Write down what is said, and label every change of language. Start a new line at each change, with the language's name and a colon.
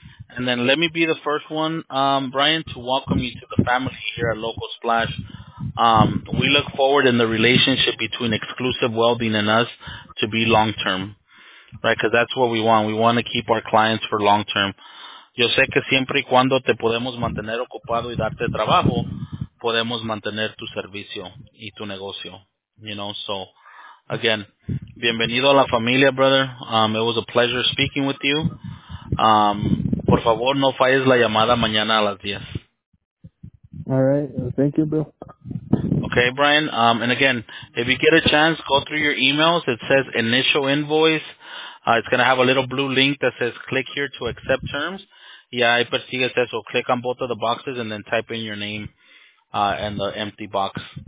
English: And then let me be the first one, Brian, to welcome you to the family here at Local Splash. We look forward in the relationship between Exclusive Welding and us to be long-term, right? Because that's what we want. We want to keep our clients for long-term.
Spanish: Yo sé que siempre y cuando te podemos mantener ocupado y darte trabajo, podemos mantener tu servicio y tu negocio.
English: You know, so, again,
Spanish: bienvenido a la familia,
English: brother. It was a pleasure speaking with you.
Spanish: Por favor, no falles la llamada mañana a las 10.
English: All right. Thank you, bro. Okay, Brian. And again, if you get a chance, go through your emails. It says initial invoice. It's going to have a little blue link that says click here to accept terms. Yeah, I persigue that, so click on both of the boxes and then type in your name in the empty box.